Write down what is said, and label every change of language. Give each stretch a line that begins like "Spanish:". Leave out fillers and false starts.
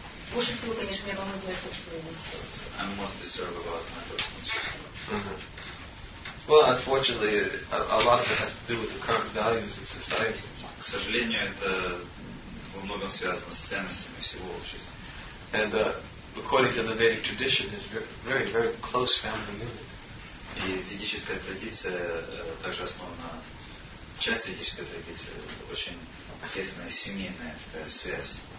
Russian: Больше всего, конечно, меня волнует моя собственная мысль.
English: I'm most disturbed about my personal children. Well, unfortunately, a lot of it has to do with the current values in society.
Russian: К сожалению, это во многом связано с ценностями всего общества.
English: And according to the Vedic tradition, it's very, very close family unit.
Russian: И ведическая традиция также основана, часть ведической традиции, очень тесная семейная связь.